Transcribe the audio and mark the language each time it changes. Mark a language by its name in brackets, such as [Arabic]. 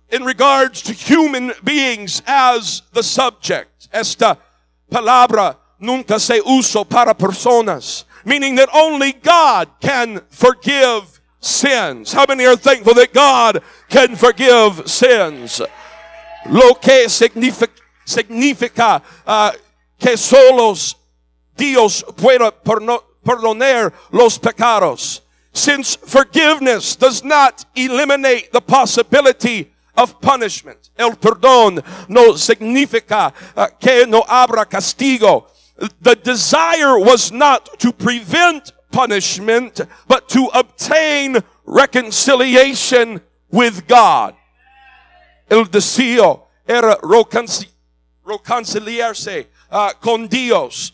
[English] in regards to human beings as the subject. [Spanish] Esta palabra nunca se usa para personas. [English] Meaning that only God can forgive sins. How many are thankful that God can forgive sins? [Spanish] Lo que significa que solos Dios puede perdonar los pecados. [English] Since forgiveness does not eliminate the possibility of punishment. [Spanish] El perdón no significa que no habrá castigo. [English] The desire was not to prevent punishment, but to obtain reconciliation with God. [Spanish] El deseo era reconciliarse con Dios.